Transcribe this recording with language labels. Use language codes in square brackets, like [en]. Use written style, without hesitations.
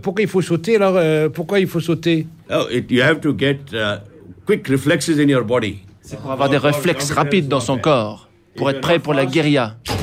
[fr] Pourquoi il faut sauter alors pourquoi il faut sauter? [en] Oh, you have to get quick reflexes in your body. [fr] C'est pour avoir des réflexes rapides dans son corps, pour être prêt pour la guérilla.